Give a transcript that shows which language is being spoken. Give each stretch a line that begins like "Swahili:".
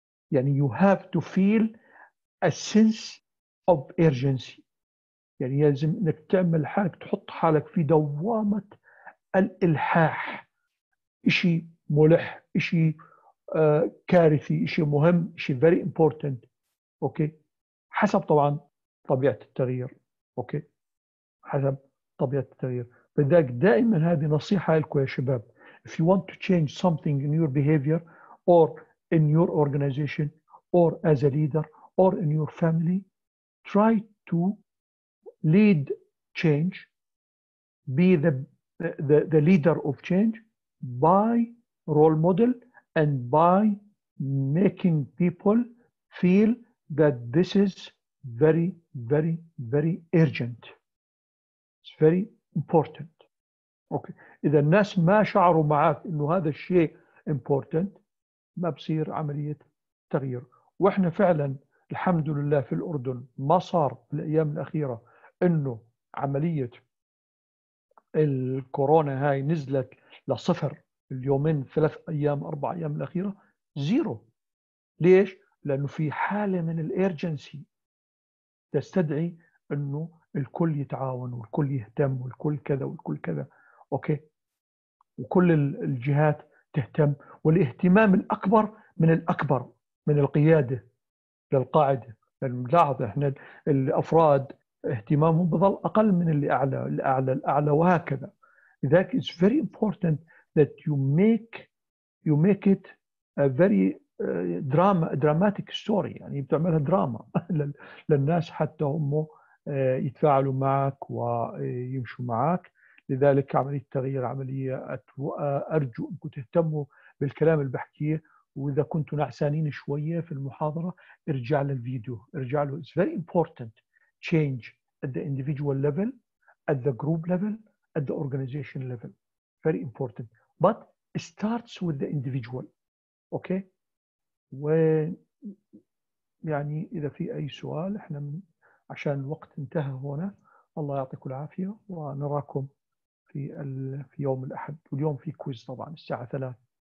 Arabic: يعني
English: you have to feel a sense of urgency،
Arabic: يعني يلزم انك تعمل حالك، تحط حالك في دوامة الإلحاح، اشي ملح، اشي كارثي، اشي مهم، اشي
English: very important.
Arabic: اوكي، حسب طبعا طبيعة التغيير. اوكي، حسب طبيعة التغيير. فذلك دائما هذه نصيحة لكم يا شباب،
English: if you want to change something in your behavior or in your organization or as a leader or in your family, try to lead change, be the leader of change by role model and by making people feel that this is very very very urgent, it's very important.
Arabic: Okay, إذا الناس ما شعروا معك إنه هذا الشيء important ما بصير عملية تغيير. وإحنا فعلا الحمد لله في الأردن ما صار في الأيام الأخيرة إنه عملية الكورونا هاي نزلت لصفر اليومين، ثلاث أيام، أربع أيام الأخيرة زيرو. ليش؟ لأنه في حالة من الأرجنسي تستدعي إنه الكل يتعاون والكل يهتم والكل كذا والكل كذا. أوكي، وكل الجهات تهتم، والاهتمام الأكبر من الأكبر، من القيادة للقاعدة. لاحظ إحنا الأفراد اهتمامهم بظل أقل من اللي أعلى، الأعلى الأعلى وهكذا. لذلك
English: it's very important that you make it a very dramatic story.
Arabic: يعني بتعملها دراما للناس حتى هم يتفاعلوا معك ويمشوا معك. لذلك عملية التغيير عملية أرجو أنكم تهتموا بالكلام اللي بحكيه، وإذا كنتوا نعسانين شوية في المحاضرة ارجع للفيديو، ارجع له.
English: It's very important change at the individual level, at the group level, at the organization level. Very important. But it starts with the individual. Okay?
Arabic: ويعني إذا في أي سؤال، إحنا عشان الوقت انتهى هنا، الله يعطيكم العافية ونراكم في يوم الأحد، واليوم في كويز طبعا الساعة 3.